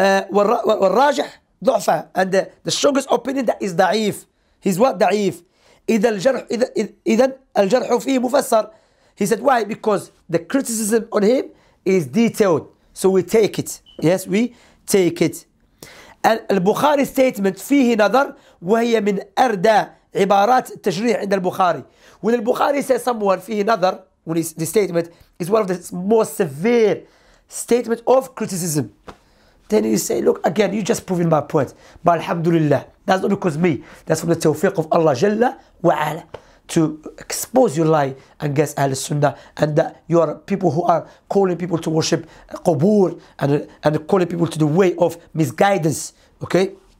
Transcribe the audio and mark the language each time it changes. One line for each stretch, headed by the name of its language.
Arabic: والراجح ضعفة
English: and the strongest opinion that is ضعيف he's what ضعيف
Arabic: إذا الجرح فيه مفسر
English: he said why because the criticism on him is detailed so we take it yes we take it.
Arabic: البخاري
English: statement
Arabic: فيه نظر وهي من أردى عبارات التشريع عند البخاري.
English: When البخاري says someone فيه نظر, when the statement is one of the most severe statement of criticism, then you say, look, again, you just proving my point. But alhamdulillah, that's not because me. That's from the tawfiq of Allah Jalla wa Ala to expose your lie against Ahl al-Sunnah, and that you are people who are calling people to worship Qubur and calling people to the way of misguidance, okay?